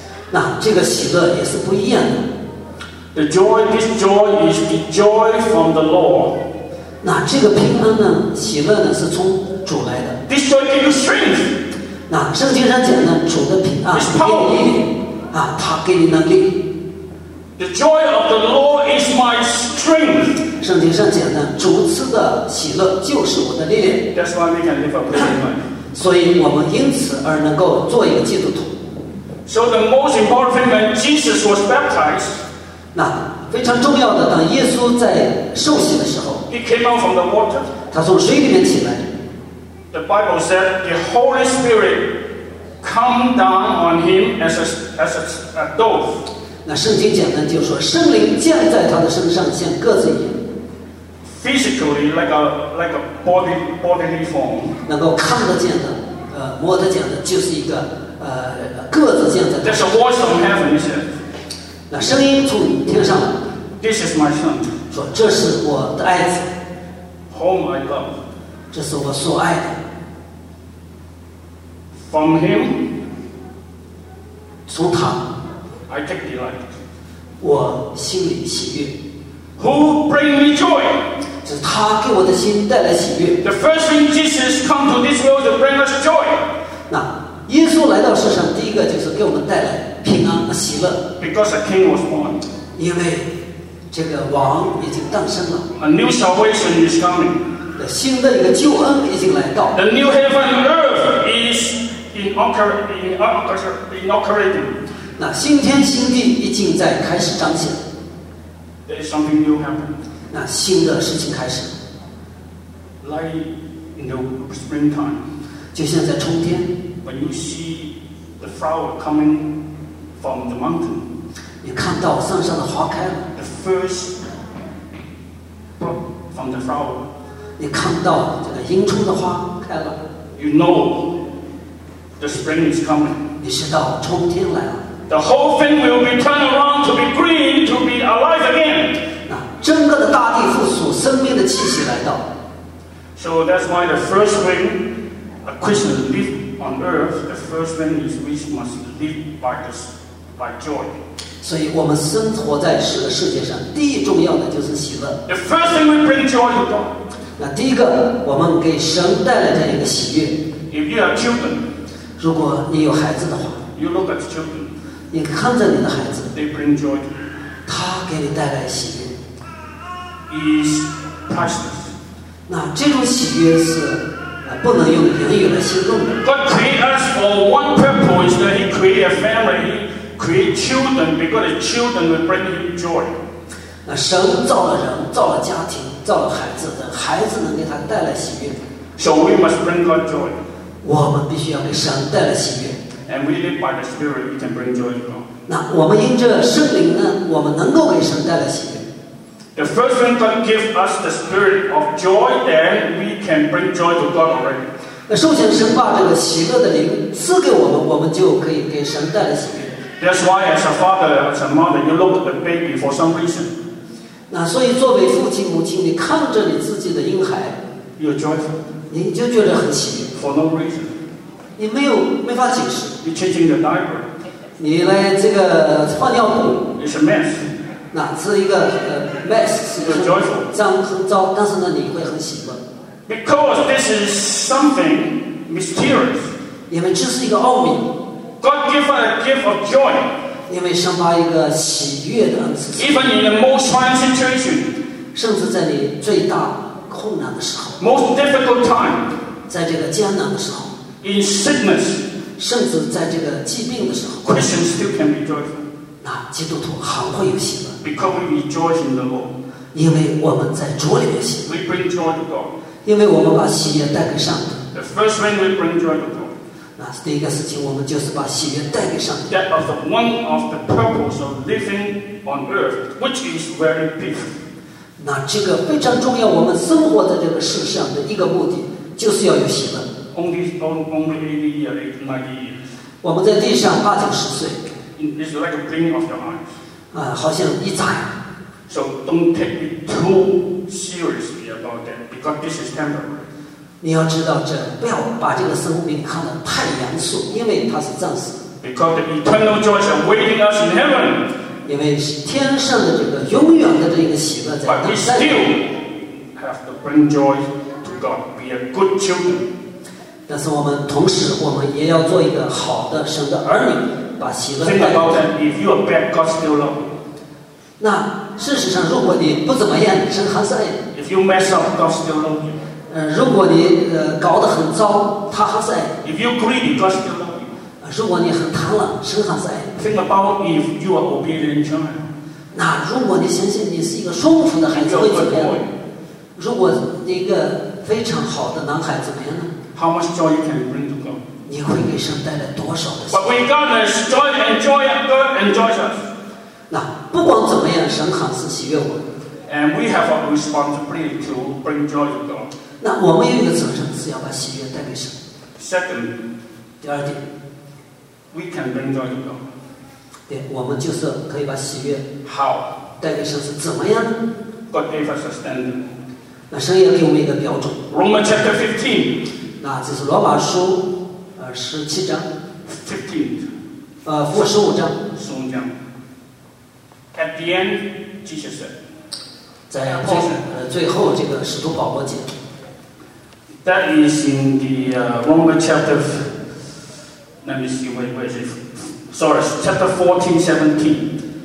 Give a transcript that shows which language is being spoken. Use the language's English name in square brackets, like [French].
[Chinese] 那这个喜乐也是不一样的 [English] this joy is the joy from the Lord [Chinese] 那这个平安呢喜乐呢是从主来的 [English] This joy gives you strength [Chinese] 那圣经上讲呢主的平安 [English] It's power [Chinese] 他给你能力 [English] The joy of the Lord is my strength [Chinese] 圣经上讲呢主赐的喜乐就是我的力量 [English] That's why we can live a good life [Chinese] 所以我们因此而能够做一个基督徒 [English] So the most important thing when Jesus was baptized [Chinese] 那非常重要的当耶稣在受洗的时候 [English] He came out from the water. [Chinese] 他从水里面起来 [English] The Bible said the Holy Spirit come down on him as a dove. [Chinese] 那圣经讲的就是说圣灵降在他的身上像鸽子一样 [English] Physically like a bodily form. [Chinese] 能够看得见的摸得见的就是一个鸽子降在他身上 [English] There's a voice from heaven, he said. [Chinese] 那声音从天上 [English] This is my son. [Chinese] 说这是我的爱子 [English] Whom I love. [Chinese] 这是我所爱的 [English] From him. [Chinese] 从他 [English] I take delight. [Chinese] 我心里喜悦 [English] Who bring me joy. [Chinese] 是他给我的心带来喜悦 [English] The first thing Jesus come to this world to bring us joy. [Chinese] 那耶稣来到世上第一个就是给我们带来平安和喜乐 [English] Because a king was born. [Chinese] 因为这个王已经诞生了。 [English] A new salvation is coming. [Chinese] 新的一个救恩已经来到。 [English] The new heaven and earth is inaugurating. [Chinese] 那新天新地已经在开始彰显。 [English] There is something new happening. [Chinese] 那新的事情开始。 [English] Like in the springtime. [Chinese] 就像在春天。 [English] When you see the flower coming from the mountain. [Chinese] 你看到山上的花开了。 [English] The first from the flower. [Chinese] 你看到这个迎春的花开了。 [English] You know the spring is coming. [Chinese] 你知道春天来了。 [English] The whole thing will be turned around to be green, to be alive again. [Chinese] 那整个的大地复苏，生命的气息来到。 [English] So that's why the first thing a Christian lives on earth, the first thing is we must live by joy. [Chinese] 所以我们生活在这个世界上，第一重要的就是喜乐。 [English] The first thing we bring joy to God. [Chinese] 那第一个，我们给神带来这样一个喜悦。 [English] If you are children, [Chinese] 如果你有孩子的话 [English] ，You look at children. [Chinese] 你看着你的孩子 [English] ，They bring joy to you. [Chinese] 他给你带来喜悦。 [English] Is priceless. [Chinese] 那这种喜悦是不能用言语来形容的。 [English] God created us for one purpose, that He created a family. Create children because children will bring you joy. [Chinese] 那神造了人，造了家庭，造了孩子，等孩子能给他带来喜悦。 [English] So we must bring God joy. [Chinese] 我们必须要给神带来喜悦。 [English] And we live by the Spirit, we can bring joy to God. [Chinese] 那我们因着圣灵呢，我们能够给神带来喜悦。 [English] The first thing God gives us the Spirit of joy, then we can bring joy to God already. [Chinese] 那首先神把这个喜乐的灵赐给我们，我们就可以给神带来喜悦。 [English] That's why, as a father, as a mother, you look at the baby for some reason. [Chinese] 那所以作为父亲母亲，你看着你自己的婴孩 [English] ，You're joyful. [Chinese] 你就觉得很喜悦。 [English] For no reason. [Chinese] 你没法解释。 [English] You're changing the diaper. [Chinese] 你来这个换尿布。 [English] It's a mess. [Chinese] 那是一个mess. [English] You're joyful. [Chinese] 脏很糟，但是呢，你会很喜欢。 [English] Because this is something mysterious. [Chinese] 因为这是一个奥秘。 [English] God gives a gift of joy. [Chinese] 因为神把一个喜悦的恩赐。 [English] Even in the most trying situation. [Chinese] 甚至在你最大困难的时候。 [English] Most difficult time. [Chinese] 在这个艰难的时候。 [English] In sickness. [Chinese] 甚至在这个疾病的时候。 [English] Christians still can be joyful. [Chinese] 那基督徒还会有喜乐。 [English] Because we rejoice in the Lord. [Chinese] 因为我们在主里面喜乐。 [English] We bring joy to God. [Chinese] 因为我们把喜悦带给上帝。 [English] The first thing we bring joy to God. [Chinese] 那第一个事情，我们就是把喜悦带给上帝。 [English] That is one of the purpose of living on earth, which is very big. [Chinese] 那这个非常重要，我们生活在这个世上的一个目的，就是要有喜乐。 [English] Only 80 years. [Chinese] 我们在地上八九十岁。 [English] It's like a blink of your eyes. [Chinese] 啊，好像一眨眼。 [English] So don't take it too seriously about that, because this is temporary. [Chinese] 你要知道这，不要把这个生命看得太严肃，因为它是暂时。 [English] Because the eternal joy is awaiting us in heaven. [Chinese] 因为天上的这个永远的这个喜乐在等待。 [English] But we still have to bring joy to God. Be a good children. [Chinese] 但是我们同时，我们也要做一个好的神的儿女，把喜乐带给。 [English] Think about that. If you are bad, God still love you. [Chinese] 那事实上，如果你不怎么样，神还是爱你。 [English] If you mess up, God still love you. [Chinese] 如果你搞得很糟，他还在。 [English] If you're greedy, God still loves you. [Chinese] 如果你很贪婪，神还在。 [English] Think about if you are obedient child. [Chinese] 那如果你相信你是一个顺服的孩子会怎么样？如果你一个非常好的男孩怎么样呢 [English] ？How much joy can you bring to God? [Chinese] 你会给神带来多少的喜 [English] ？But regardless, joy and joy, God enjoys us. [Chinese] 那不管怎么样，神还是喜悦我。 [English] And we have a responsibility to bring joy to God. [Chinese] 那我们有一个责任，是要把喜悦带给神。 [English] Second, [Chinese] 第二点 [English] ，we can bring joy to God. [Chinese] 对，我们就是可以把喜悦 [English] how [Chinese] 带给神是怎么样 [English] ？God gave us a standard. [Chinese] 那神也给我们一个标准。 [English] Romans chapter 15. [Chinese] 那这是罗马书十七章。 [English] 15. [Chinese] 负十五章。十五章。 [English] At the end, Jesus said. [Chinese] 在后最后这个使徒保罗讲。 [English] That is in the Romans chapter. Let me see where is it. Sorry, chapter 14:17.